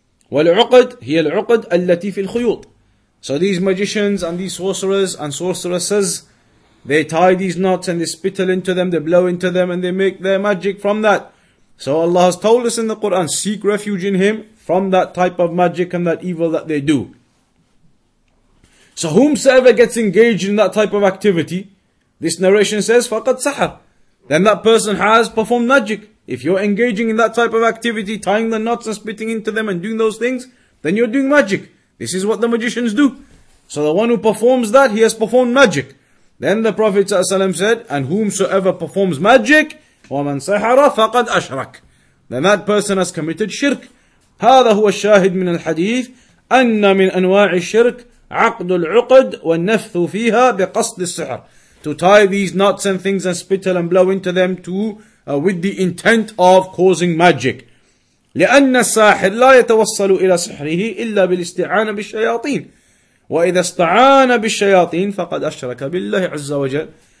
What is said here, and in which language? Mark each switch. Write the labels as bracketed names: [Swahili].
[Arabic] والعقد هي العقد التي في الخيوط. [English] So these magicians and these sorcerers and sorceresses, they tie these knots and they spittle into them, they blow into them and they make their magic from that. So Allah has told us in the Quran, seek refuge in Him from that type of magic and that evil that they do. So whomsoever gets engaged in that type of activity, this narration says, [Arabic] فَقَدْ سَحَرْ. [English] Then that person has performed magic. If you're engaging in that type of activity, tying the knots and spitting into them and doing those things, then you're doing magic. This is what the magicians do. So the one who performs that, he has performed magic. Then the Prophet ﷺ said, and whomsoever performs magic, [Arabic] وَمَنْ سَحَرَ فَقَدْ أَشْرَكَ. [English] Then that person has committed shirk. [Arabic] هذا هو الشاهد من الحديث أن من أنواع الشرك عقد العقد والنفث فيها بقصد السحر. [English] To tie these knots and things and spittle and blow into them to with the intent of causing magic. [Arabic] لِأَنَّ السَّاحِرْ لَا يَتَوَصَّلُ إِلَى سِحْرِهِ إِلَّا بِالْاِسْتِعَانَ بِالشَّيَاطِينَ وَإِذَا اسْتَعَانَ بِالشَّيَاطِينَ فَقَدْ أَشْرَكَ بِاللَّهِ عَزَّ وَجَلَّ.